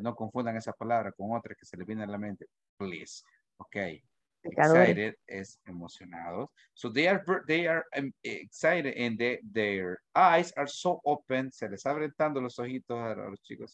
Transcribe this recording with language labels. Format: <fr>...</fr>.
<es>No confundan esa palabra con otra que se le viene a la mente,</es> <en>please.</en> <es>Okay, excited es emocionados.</es> <en>So they are excited and their eyes are so open.</en> <es>Se les abren tanto los ojitos a los chicos.</es>